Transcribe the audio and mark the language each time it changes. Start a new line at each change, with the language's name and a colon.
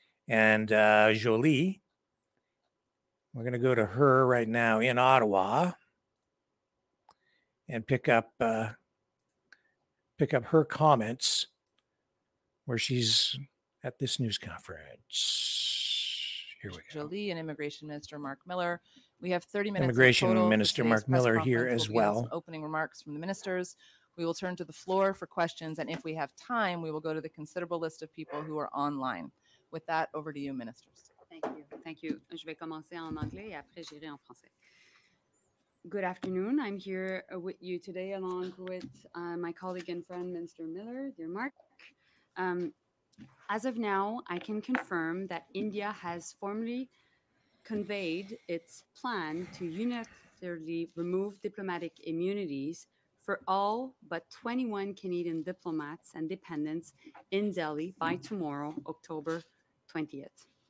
English: And Joly, we're going to go to her right now in Ottawa and pick up her comments where she's at this news conference. Here we go. Joly and Immigration Minister Mark Miller. We have 30 minutes. Immigration Minister Mark Miller here as well. Opening remarks from the ministers. We will turn to the floor for questions. And if we have time, we will go to the considerable list of people who are online. With that, over to you, ministers. Thank you.
French: Je vais commencer en anglais et après j'irai en français.
English: Good afternoon. I'm here with you today along with my colleague and friend, Minister Miller. Dear Mark, as of now, I can confirm that India has formally conveyed its plan to unilaterally remove diplomatic immunities for all but 21 Canadian diplomats and dependents in Delhi by tomorrow, October 20th.